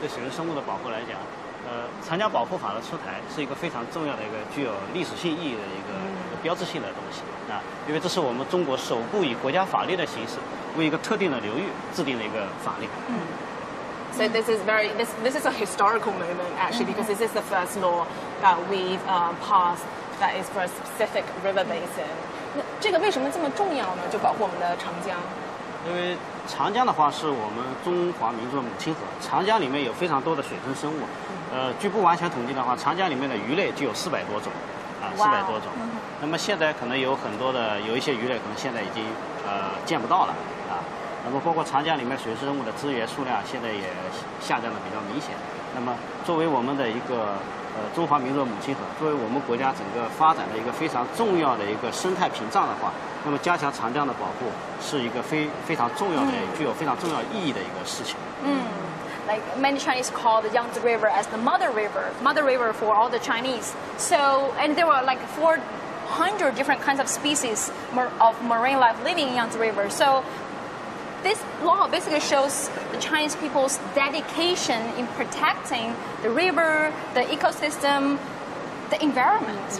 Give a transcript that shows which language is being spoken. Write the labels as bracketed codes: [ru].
[zh] protect 长江保护法的出台是一个非常重要的一个具有历史性意义的一个标志性的东西啊，因为这是我们中国首部以国家法律的形式为一个特定的流域制定的一个法律。 [en] So this is a historical moment actually, because this is the first law that we've passed that is for a specific river basin. [zh] 那这个为什么这么重要呢？就保护我们的长江。因为长江的话是我们中华民族的母亲河，长江里面有非常多的水生生物，据不完全统计的话，长江里面的鱼类就有400多种，400多种。那么现在可能有一些鱼类可能现在已经见不到了啊。那么包括长江里面水生生物的资源数量现在也下降的比较明显。那么作为我们的一个中华民族的母亲河，作为我们国家整个发展的一个非常重要的一个生态屏障的话，那么加强长江的保护是一个非常重要的、具有非常重要意义的一个事情。 [en] Like many Chinese call the Yangtze River as the mother river for all the Chinese. So, and there were like 400 different kinds of species of marine life living in Yangtze River. So this law basically shows the Chinese people's dedication in protecting the river, the ecosystem, the environment.